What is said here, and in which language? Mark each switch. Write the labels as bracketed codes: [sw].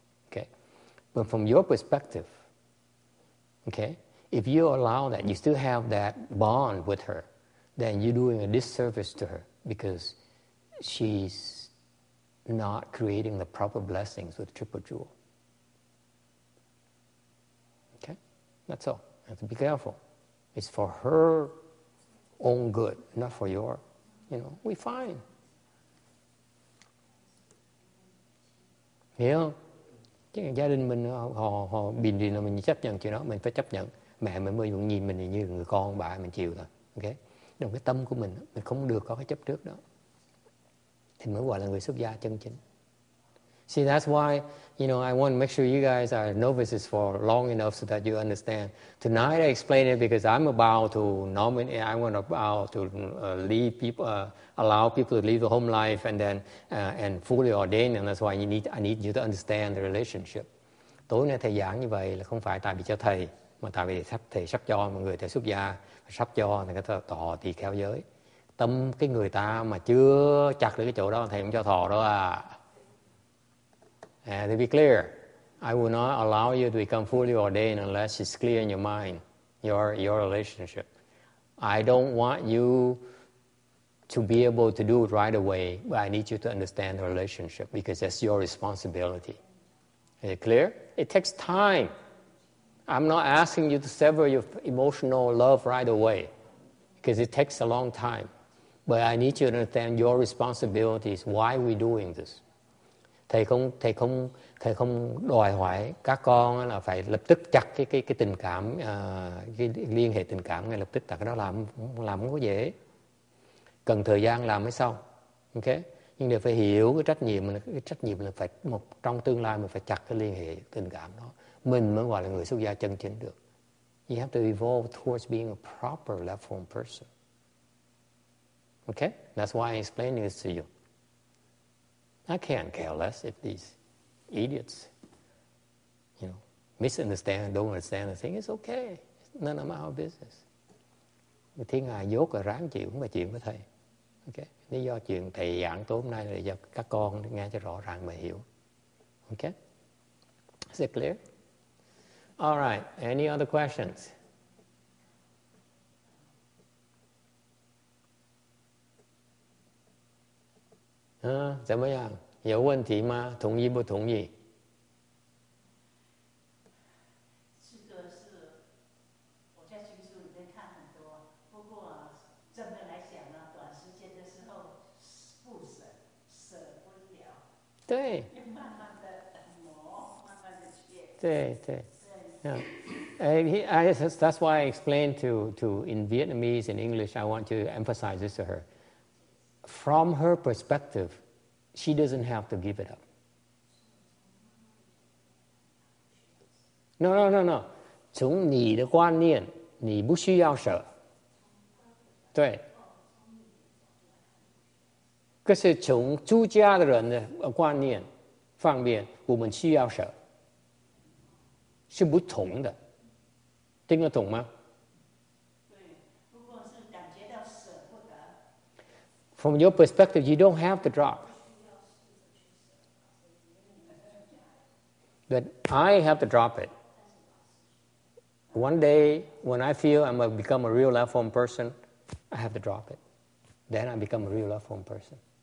[en] Okay, but from your perspective, okay, if you allow that, you still have that bond with her, then you're doing a disservice to her because she's not creating the proper blessings with Triple Jewel. Okay, that's all. You have to be careful. It's for her own good, not for your, you know, we fine. [vi] Hiểu không? Chứ gia đình mình họ bình thường là mình chấp nhận chuyện đó, mình phải chấp nhận. Mẹ mình mới nhìn mình như người con, bà mình chịu thôi. Okay? Đồng cái tâm của mình không được có cái chấp trước đó. Thì mới gọi là người xuất gia chân chính. [en] See, that's why, you know, I want to make sure you guys are novices for long enough so that you understand. Tonight I explain it because I'm about to nominate, I want about to leave people, allow people to leave the home life and then and fully ordain. And that's why I need you to understand the relationship. [vi] Tối nay thầy giảng như vậy là không phải tại vì cho thầy, mà tại vì thầy sắp cho mọi người thầy xuất gia, sắp cho thầy có thọ tỳ kheo giới. Tâm cái người ta mà chưa chặt được cái chỗ đó, thầy không cho thọ đó à. [en] And to be clear, I will not allow you to become fully ordained unless it's clear in your mind, your relationship. I don't want you to be able to do it right away, but I need you to understand the relationship because that's your responsibility. Is it clear? It takes time. I'm not asking you to sever your emotional love right away because it takes a long time. But I need you to understand your responsibilities, why we're doing this. [vi] Thầy không đòi hỏi các con là phải lập tức chặt cái tình cảm, cái liên hệ tình cảm ngay lập tức, tại cái đó làm không có dễ. Cần thời gian làm mới xong. Ok? Nhưng để phải hiểu cái trách nhiệm là phải một trong tương lai mình phải chặt cái liên hệ tình cảm đó. Mình mới gọi là người xuất gia chân chính được. [en] You have to evolve towards being a proper level person. Ok? That's why I explain this to you. I can't care less if these idiots, you know, misunderstand, don't understand the thing. It's okay. None of our business. [vi] Thiên Ngài dốt rồi ráng chịu, cũng là chuyện với thầy. Okay. Lý do chuyện thầy giảng tối hôm nay là do các con nghe cho rõ ràng mà hiểu. [en] Okay. Is it clear? All right. Any other questions? [vi] Tại sao vậy? [zh] 有问题吗?同意不同意? 这个是我在群组里面看很多，不过正面来讲呢，短时间的时候不舍不了。对。慢慢的磨，慢慢的去。对对。对。Yeah. [en] That's why I explained to in Vietnamese and English. I want to emphasize this to her. From her perspective, she doesn't have to give it up. No, no, no, no. [zh] 从你的观念，你不需要舍。对。可是从出家的人的观念方面，我们需要舍，是不同的。听得懂吗？对，不过是感觉到舍不得。 [en] From your perspective, you don't have to drop. That I have to drop it. One day, when I feel I'm going to become a real left-form person, I have to drop it. Then I become a real left-form person.